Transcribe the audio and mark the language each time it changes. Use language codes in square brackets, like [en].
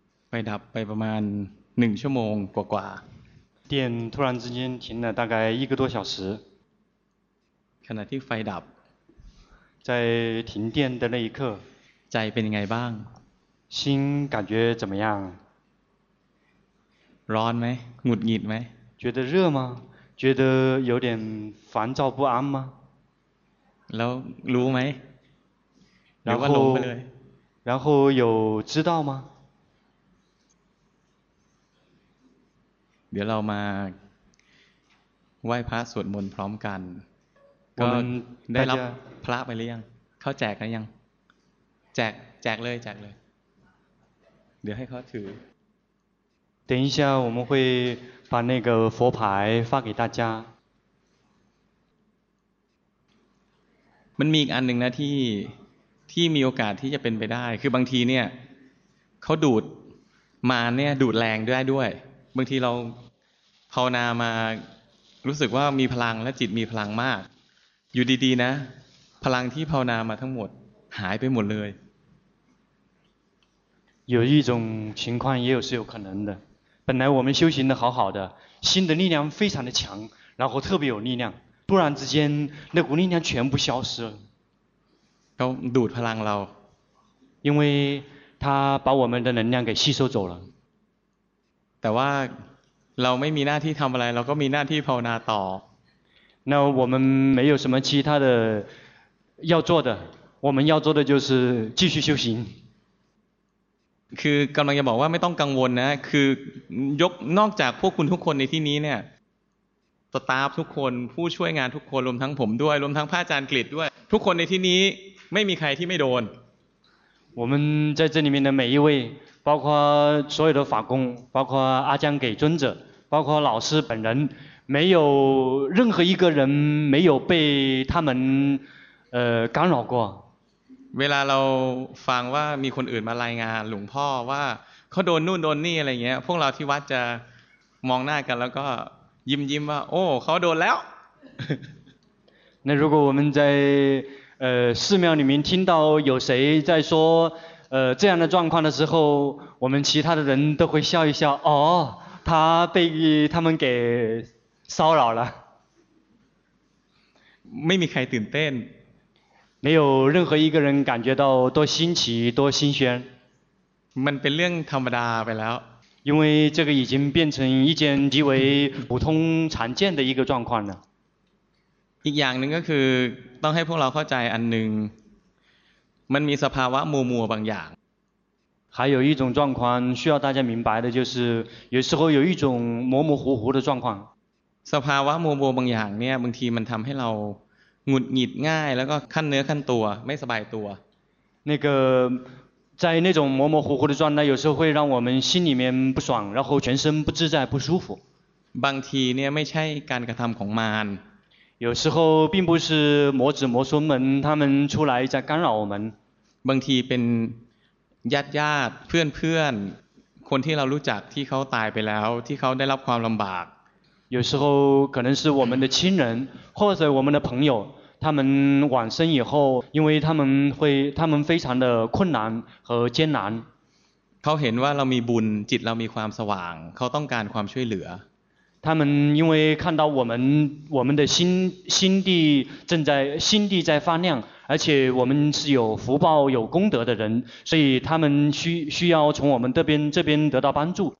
[th] ไปดับไปประมาณ1ชั่วโมงกว่า [zh] ๆ电突然之间停了大概一个多小时 [th] ขณะที่ไฟดับ [zh] 在停电的那一刻 [th] ใจเป็นยังไงบ้าง [zh] 心感觉怎么样 [th] ร้อนไหมหงุดหงิดไหม [zh] 觉得热吗觉得有点烦躁不安吗 [th] แล้วรู้ไหมหรือว่าลงไปเลย [zh] 然后有知道吗 [th] เดี๋ยวเรามาไหว้พระสวดมนต์พร้อมกันก็ได้รับพระไปหรือยังเข้าแจกแล้วยังแจกเลยแจกเลยเดี๋ยวให้เขาถือ [zh] 等一下我们会把那个佛牌发给大家 [th] มันมีอีกอันหนึ่งนะที่มีโอกาสที่จะเป็นไปได้คือบางทีเนี่ยเขาดูดมาเนี่ยดูดแรงด้วยบางทีเราภาวนามารู้สึกว่ามีพลังและจิตมีพลังมากอยู่ดีๆนะพลังที่ภาวนามาทั้งหมดหายไปหมดเลย [zh] 有一种情况也有是有可能的本来我们修行的好好的心的力量非常的强然后特别有力量突然之间那股力量全部消失了 [th] 都ดูดพลังเรา [zh] 因为他把我们的能量给吸收走了 [th] แต่ว่าเราไม่มีหน้าที่ทำอะไรเราก็มีหน้าที่ภาวนาต่อ [zh] 那我们没有什么其他的要做的我们要做的就是继续修行 [th] คือกำลังจะบอกว่าไม่ต้องกังวลนะคือยกนอกจากพวกคุณทุกคนในที่นี้เนี่ยสตาฟทุกคนผู้ช่วยงานทุกคนรวมทั้งผมด้วยรวมทั้งพระอาจารย์กฤตด้วยทุกคนในที่นี้ไม่มีใครที่ไม่โดน [zh] 我们在这里面的每一位包括所有的法工包括阿江给尊者包括老师本人没有任何一个人没有被他们干扰过 [th] เวลาเราฟังว่ามีคนอื่นมารายงานหลวงพ่อว่าเขาโดนนู่นโดนนี่อะไรเงี้ยพวกเราที่วัดจะมองหน้ากันแล้วก็ยิ้มว่าโอ้เขาโดนแล้ว [zh] 那如果我们在寺庙里面听到有谁在说这样的状况的时候我们其他的人都会笑一笑哦他被他们给骚扰了 [th] ไม่มีใครตื่นเต้น [zh] 没有任何一个人感觉到多新奇多新鲜 [th] มันเป็นเรื่องธรรมดาไปแล้ว [zh] 因为这个已经变成一件极为普通常见的一个状况了 [th] อีกอย่างนึงก็คือต้องให้พวกเราเข้าใจอันนึงมันมีสภาวะมัวบางอย่าง [zh] 还有一种状况需要大家明白的就是有时候有一种模模糊糊的状况 [th] สภาวะมัวบางอย่างเนี่ยบางทีมันทำให้เราหงุดหงิดง่ายแล้วก็ขั้นเนื้อขั้นตัวไม่สบายตัว [zh] 那个在那种模模糊糊的状态有时候会让我们心里面不爽然后全身不自在不舒服 [th] บางทีเนี่ยไม่ใช่การกระทำของมาร [zh] 有时候并不是魔子魔孙们他们出来在干扰我们 [th] บางทีเป็นญาติเพื่อนคนที่เรารู้จักที่เขาตายไปแล้วที่เขาได้รับความลำบาก [zh] 有时候可能是我们的亲人或者我们的朋友他们往生以后因为他们非常的困难和艰难 [th] เขาเห็นว่าเรามีบุญจิตเรามีความสว่างเขาต้องการความช่วยเหลือ [zh] 他们因为看到我们的心地正在心地在发亮，而且我们是有福报有功德的人，所以他们需要从我们这边得到帮助。